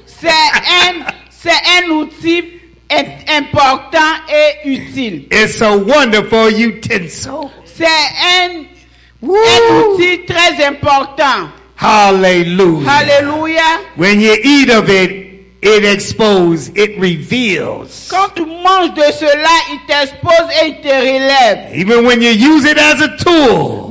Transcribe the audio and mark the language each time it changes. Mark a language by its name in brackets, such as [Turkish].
[French] C'est un outil important et utile. [English] It's a wonderful utensil. [French] C'est un outil très important. Hallelujah. Hallelujah. [English] When you eat of it, it exposes, it reveals. [French] Quand tu manges de cela, il t'expose et il te relève. [English] Even when you use it as a tool.